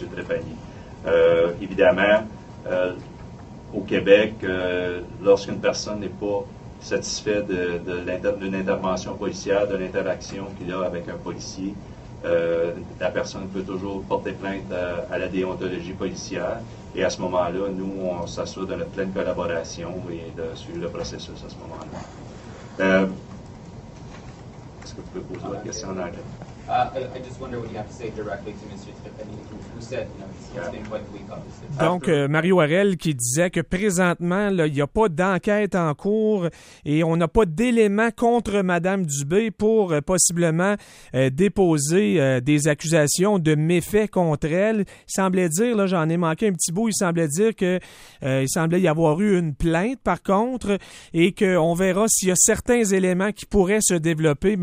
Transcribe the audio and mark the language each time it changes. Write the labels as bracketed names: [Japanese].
[French] Trépanier. Évidemment, au Québec, lorsqu'une personne n'est pas satisfait d'une intervention policière, de l'interaction qu'il a avec un policier. La personne peut toujours porter plainte à la déontologie policière et à ce moment-là, nous, on s'assure de notre pleine collaboration et de suivre le processus à ce moment-là. Est-ce que vous pouvez poser votre question en anglais? [English] I just wonder what you have to say directly to Monsieur Trépanier, who said, you know, it's been quite weak, obviously. [French] Donc, Mario Harel qui disait que présentement, là, il n'y a pas d'enquête en cours et on n'a pas d'éléments contre Mme Dubé pour possiblement déposer des accusations de méfaits contre elle. Il semblait dire, là, j'en ai manqué un petit bout, il semblait dire qu'il semblait y avoir eu une plainte, par contre, et qu'on verra s'il y a certains éléments qui pourraient se développer.